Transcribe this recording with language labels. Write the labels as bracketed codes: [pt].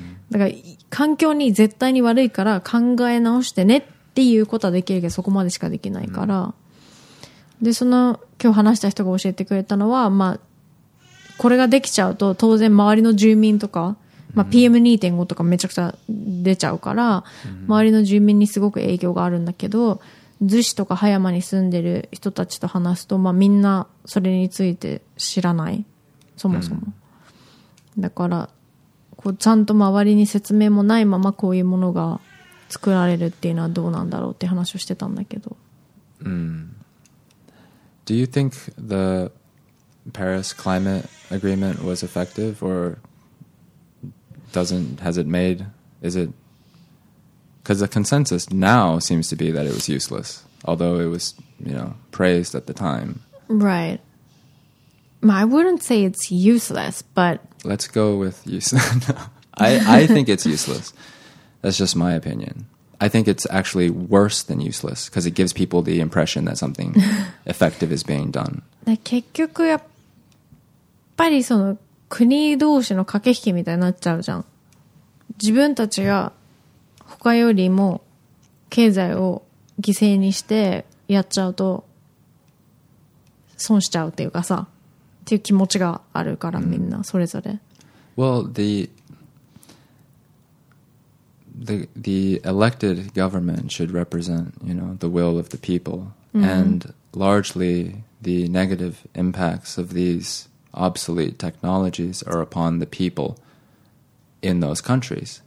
[ja] だから環境に絶対に悪いから考え直してねってっていうことはできるけど、そこまでしかできないから、で、その今日話した人が教えてくれたのは、まあこれができちゃうと当然周りの住民とか、まあ PM2.5 とかめちゃくちゃ出ちゃうから、周りの住民にすごく影響があるんだけど、逗子とか葉山に住んでる人たちと話すと、まあみんなそれについて知らない、そもそも。だからこうちゃんと周りに説明もないままこういうものが作られるっていうのはどうなんだろうって話をしてたんだけど。 [en] Do you think the Paris Climate Agreement was effective or has it made? Is it? Because the consensus now seems to be that it was useless, although it was, you know, praised at the time. Right. I wouldn't say it's useless, but let's go with useless. I think it's useless. That's just my opinion. I think it's actually worse than useless because it gives people the impression that something effective is being done. [ja] 結局やっぱりその国同士の駆け引きみたいになっちゃうじゃん。自分たちが他よりも経済を犠牲にしてやっちゃうと損しちゃうっていうかさ、っていう気持ちがあるからみんなそれぞれ。 [en] Well, the elected government should represent, you know, the will of the people, and largely the negative impacts of these obsolete technologies are upon the people in those countries.